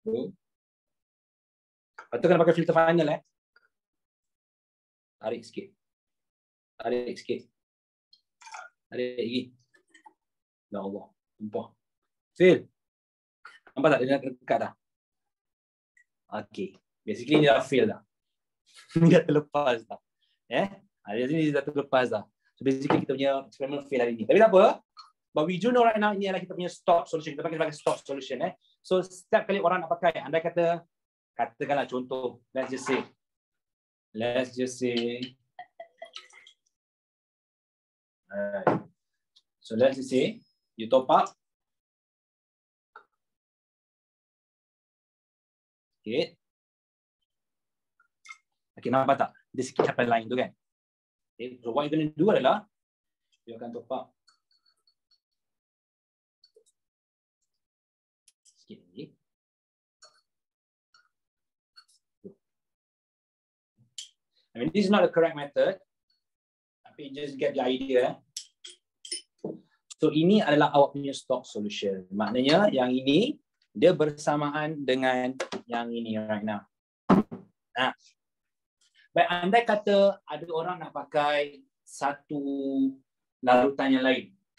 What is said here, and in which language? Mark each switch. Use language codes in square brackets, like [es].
[ms] Lepas tu kena pakai filter final eh. Tarik sikit. Tarik sikit. Tarik lagi. Ya Allah. Tumpah. Fail. Nampak tak? Dia nak dekat dah. Okay. Basically ni dah fail dah. Ni dah terlepas dah. Eh? Hari ni dah terlepas dah. [en] So basically [ms] kita punya experiment fail hari ni. Tapi tak apa. [en] But we do know right now [ms] ini adalah kita punya [en] stop solution. [ms] Kita pakai sebagai stop solution eh. [en] So setiap kali orang nak pakai, [ms] anda kata, katakanlah contoh, [en] let's just say, let's just say, alright, so let's just say, you top up, okay, okay [ms] nampak tak, [en] this is capital line [ms] tu kan, [en] okay, so what you're going to do [ms] adalah, [en] you [ms] akan [en] top up, I mean, this is not a correct method. I mean, just get the idea. [ms] So ini adalah awak punya stock solution. Maknanya yang ini dia bersamaan dengan yang ini [en] right now. [ms] Nah. Baik, andai kata ada orang nak pakai satu larutan yang lain.